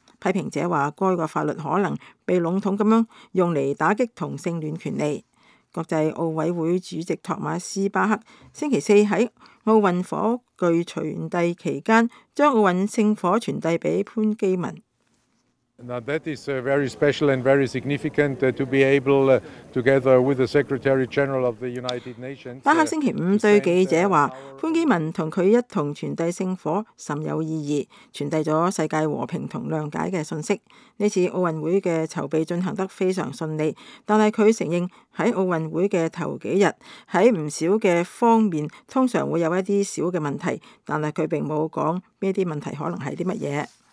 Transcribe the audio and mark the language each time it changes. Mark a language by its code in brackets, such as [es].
[yue] 批评者说该个法律可能被笼统地用来打击同性恋权利。国际奥委会主席托马斯巴克星期四在奥运火炬传递期间将奥运圣火传递给潘基文。 [en] Now that is very special and very significant to be able together with the Secretary General of the United Nations. [yue] 巴克星期五对记者话，潘基文同佢一同传递圣火甚有意义，传递咗世界和平同谅解嘅信息。呢次奥运会嘅筹备进行得非常顺利，但系佢承认喺奥运会嘅头几日喺唔少嘅方面通常会有一啲小嘅问题，但系佢并冇讲咩啲问题可能系啲乜嘢。